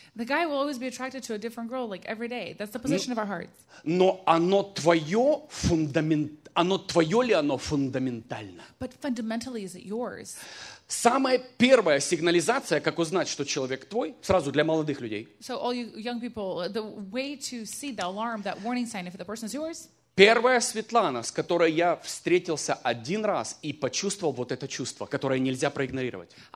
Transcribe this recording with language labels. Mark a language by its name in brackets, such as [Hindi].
[English] The guy will always be attracted to a different girl, like every day. That's the position of our hearts. [Russian] Но оно твое оно твое ли оно фундаментально? [English] But fundamentally, is it yours? [Russian] Самая первая сигнализация, как узнать, что человек твой, сразу для молодых людей. [English] So all you young people, the way to see the alarm, that warning sign, if the person is yours. [Russian] Первая Светлана, с которой я встретился один раз и почувствовал вот это чувство, которое нельзя проигнорировать.